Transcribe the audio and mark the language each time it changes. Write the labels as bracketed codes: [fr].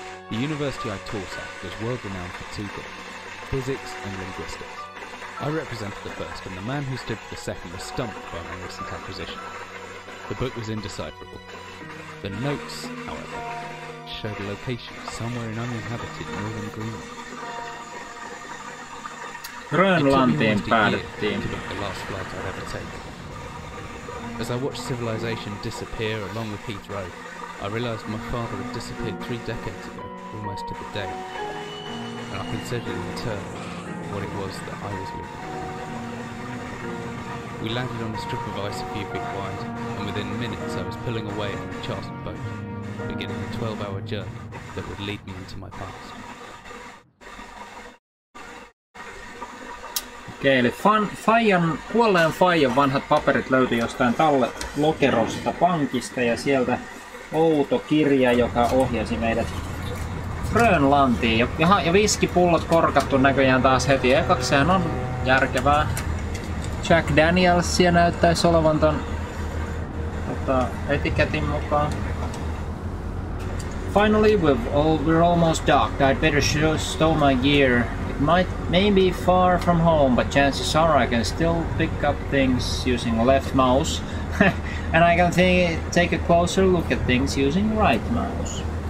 [en] The university I taught at was world-renowned for two things, physics and linguistics. I represented the first, and the man who stood for the second was stumped by my recent acquisition. The book was indecipherable. The notes, however, showed a location somewhere in uninhabited northern Greenland. [fi] Grönlantiin päädyttiin. [en] The last flight I'd ever taken. As I watched civilization disappear along with Heathrow, I realized my father had disappeared 3 decades ago, almost to the day. And I considered in turn what it was that I was looking for. We landed on a strip of ice a few feet wide, and within minutes I was pulling away on a chartered boat. beginning a 12-hour journey that would lead me into my past. [fi] Okei, eli kuolleen Fajan vanhat paperit löytyi jostain tallelokerosta pankista ja sieltä outo kirja, joka ohjasi meidät Grönlantiin. Ja viskipullot korkattu näköjään taas heti ekakseen on järkevää. Jack Danielsia näyttäisi olevan ton etiketin mukaan. [en] Finally, we're almost docked. I'd better stow my gear. It might maybe far from home, but chances are I can still pick up things using left mouse. And I can take a closer look at things using right mouse.